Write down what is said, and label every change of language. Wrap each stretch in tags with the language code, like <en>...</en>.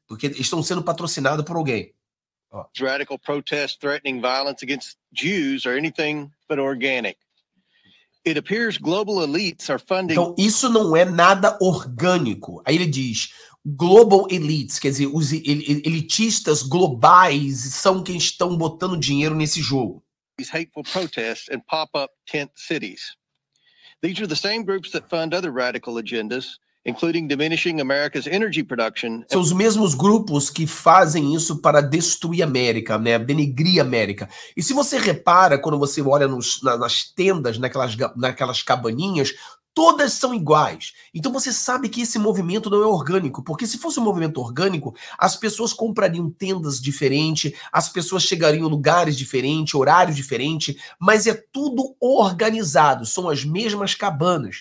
<pt>Porque estão sendo patrocinados por alguém. Ó.</pt> <en>Radical protests threatening violence against Jews or anything but organic. It appears global elites are funding...</en> <pt>Então, isso não é nada orgânico. Aí ele diz,</pt> <en>global elites,</en> <pt>quer dizer, os elitistas globais são quem estão botando dinheiro nesse jogo.</pt> <en>These hateful protests and pop-up tent cities. These are the same groups that fund other radical agendas, including diminishing America's energy production.</en> <pt>São os mesmos grupos que fazem isso para destruir a América, né? Denigrir a América. E se você repara, quando você olha nas tendas, naquelas cabaninhas, todas são iguais. Então você sabe que esse movimento não é orgânico, porque se fosse um movimento orgânico, as pessoas comprariam tendas diferentes, as pessoas chegariam em lugares diferentes, horários diferentes, mas é tudo organizado, são as mesmas cabanas.</pt>